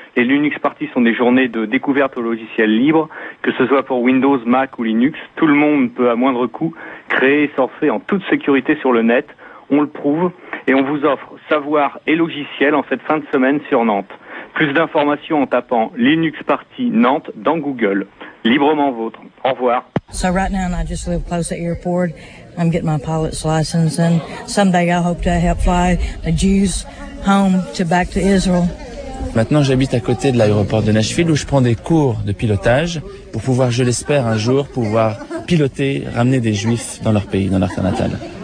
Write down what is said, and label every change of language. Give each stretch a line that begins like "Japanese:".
French: Les Linux Party sont des journées de découverte aux logiciels libres, que ce soit pour Windows, Mac ou Linux. Tout le monde peut à moindre coût créer et surfer en toute sécurité sur le net. On le prouve et on vous offre savoir et logiciel en cette fin de semaine sur Nantes. Plus d'informations en tapant Linux Party Nantes dans Google. Librement vôtre. Au revoir.
English: So right now I just live close at your board. I'm getting my pilot's license and someday I hope to help fly the Jews home to back to Israel.
French: Maintenant, j'habite à côté de l'aéroport de Nashville où je prends des cours de pilotage pour pouvoir, je l'espère, un jour, pouvoir piloter, ramener des Juifs dans leur pays, dans leur terre natale.